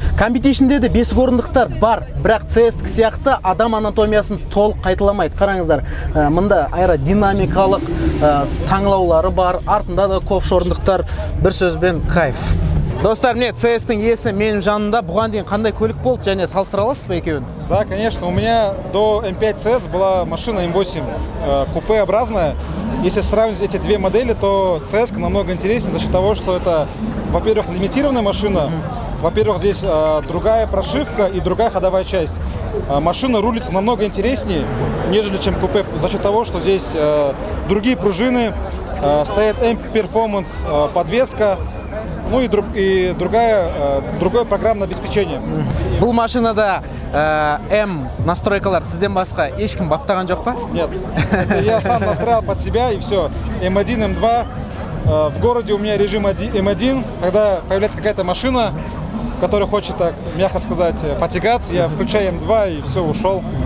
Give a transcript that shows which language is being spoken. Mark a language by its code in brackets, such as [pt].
[kk] Компетишнде де 5 орындықтар бар, бірақ CS-тікі сияқты адам анатомиясын тол қайталамайды. Қараңыздар, мында айра динамикалық саңлаулары бар, артында да ковш орындықтар, бір сөзбен кайф. Достар, мне CS-тің есі менің жанында, бұған дейін қандай көлік болды, және салыстыра аласыз ба екеуін? [ru] Да, конечно, у меня до M5 CS была машина M8, купе-образная. Если сравнивать эти две модели, то CS намного интереснее за счет того, что это, во-первых, лимитированная машина, во-первых, здесь другая прошивка и другая ходовая часть. Машина рулится намного интереснее, нежели чем купе, за счет того, что здесь другие пружины, стоит M-Performance подвеска, ну и другое программное обеспечение. Был машина, да. [kk] М настройкалар сізден басқа ешкім баптаған жоқ па? [ru] Нет, я сам настраивал под себя и все. М1, М2. В городе у меня режим М1. Когда появляется какая-то машина, которая хочет, так мягко сказать, потягаться, я включаю М2 и все, ушел.